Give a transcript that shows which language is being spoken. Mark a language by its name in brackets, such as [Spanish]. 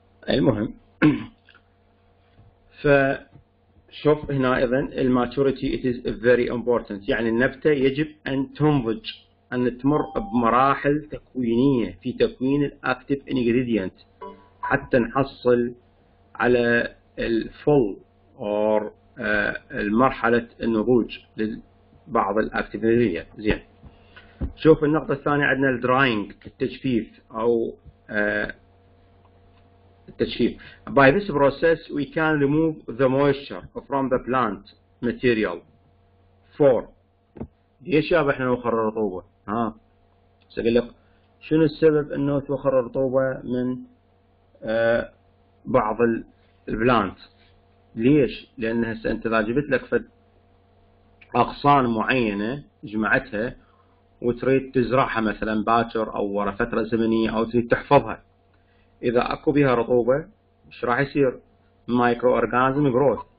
[Arabic] المهم فشوف هنا ايضا الماتوريتي ات از فيري امبورتنت، يعني النبته يجب ان تنضج ان تمر بمراحل تكوينيه في تكوين الاكتف انجريدينت حتى نحصل على الفول اور مرحلة النضوج لبعض الأكتينولية. زين، شوف النقطة الثانية عندنا الدراينج، التجفيف أو التجفيف. [English] By this process we can remove the moisture from the plant material for. [Arabic] ليش يابا احنا نوخر الرطوبة؟ ها؟ أقول لك شنو السبب انه توخر الرطوبة من بعض البلانت؟ ليش؟ لان هسه انت اذا جبت لك فد اغصان معينة جمعتها وتريد تزرعها مثلا باكر او ورا فترة زمنية او تريد تحفظها، اذا اكو بها رطوبة ايش راح يصير؟ مايكرو اورجانزم جروث.